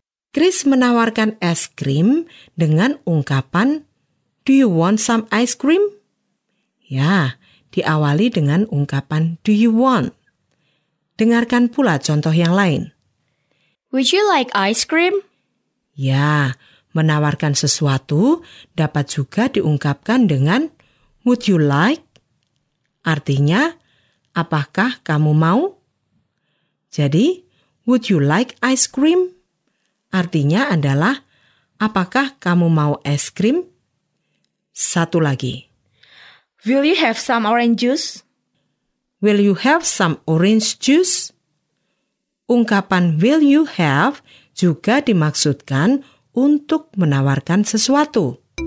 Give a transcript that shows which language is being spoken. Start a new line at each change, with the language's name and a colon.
Indonesian: Chris menawarkan es krim dengan ungkapan,
English: "Do you want some ice cream?"
Indonesian: Ya, diawali dengan ungkapan do you want. Dengarkan pula contoh yang lain.
English: Would you like ice cream?
Indonesian: Ya, menawarkan sesuatu dapat juga diungkapkan dengan would you like? Artinya, apakah kamu mau?
English: Jadi, would you like ice cream?
Indonesian: Artinya adalah, apakah kamu mau es krim? Satu lagi.
English: Will you have some orange juice? Will you have some orange juice?
Indonesian: Ungkapan will you have juga dimaksudkan untuk menawarkan sesuatu.